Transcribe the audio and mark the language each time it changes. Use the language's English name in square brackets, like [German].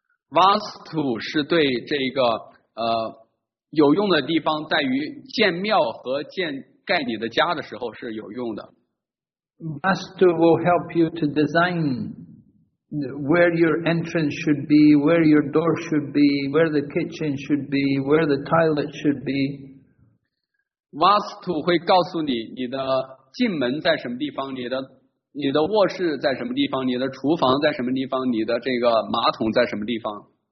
[Chinese] Vastu 是对这个有用的地方在于建庙和建盖你的家的时候是有用的。 [English] Vastu will help you to design where your entrance should be, where your door should be, where the kitchen should be, where the toilet should be. [Chinese] Vastu 会告诉你你的进门在什么地方，你的卧室在什么地方，你的厨房在什么地方，你的这个马桶在什么地方。